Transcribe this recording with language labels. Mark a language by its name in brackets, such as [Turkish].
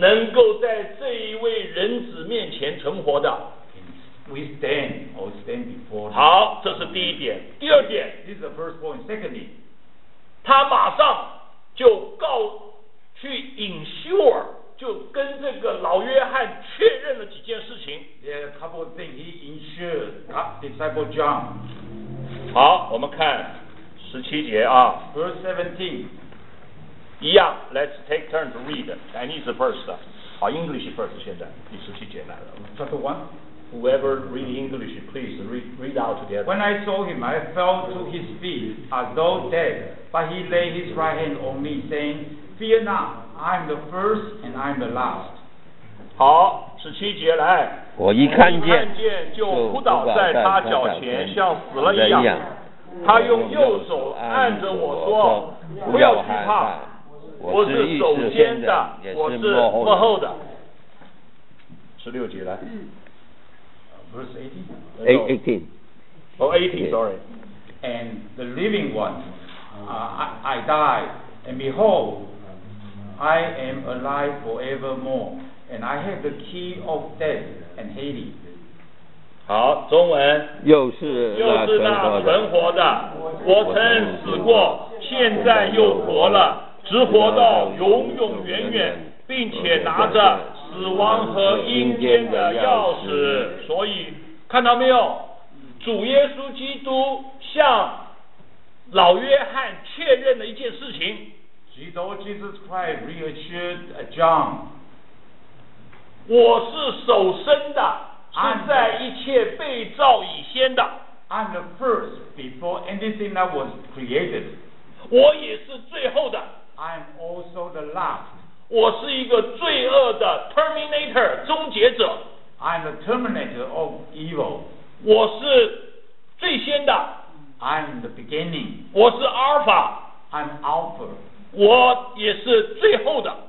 [Chinese] 能够在这一位人子面前存活的。 [English] We stand or stand before. [Chinese] 好，这是第一点。第二点 [English] ，This is the first point. Secondly, [Chinese] 他马上就告去 ensure， 就跟这个老约翰确认了几件事情。 [English] Yeah, a couple of things. He ensured disciple John. [Chinese] 好，我们看十七节啊。 [English] Verse 17. 一样 ，Let's take turns to read. Chinese first. 好 ，English first. [Chinese] 现在第十七节来了。 [English] Chapter one. Whoever read English, please read out together. When I saw him, I fell to his feet as though dead, but he laid his right hand on me, saying, Fear not, I am the first and I am the last. [Chinese] 好，十七节来。我一看见，就扑倒在他脚前，像死了一样。他用右手按着我说，不要惧怕，我是首先的，我是幕后的。十六节来。 [English] Verse 18. Oh, 18, yeah. Sorry. And the living one, I died, and behold, I am alive forevermore, and I have the key of death and Hades. [Chinese] 好，中文。又是那存活的，我曾死过，现在又活了，直活到永永远远，并且拿着死亡和阴间的钥匙。所以看到没有，主耶稣基督向老约翰确认了一件事情。 [English] Jesus Christ reassured John， [Chinese] 我是首生的，是在一切被造以先的。 [English] I'm the first before anything that was created。 [Chinese] 我也是最后的。 [English] I'm also the last。 [Chinese] 我是一个罪恶的 Terminator 终结者。 [English] I'm the Terminator of evil。 [Chinese] 我是最先的。 [English] I'm the beginning。 [Chinese] 我是 Alpha。 [English] I'm Alpha。 [Chinese] 我也是最后的。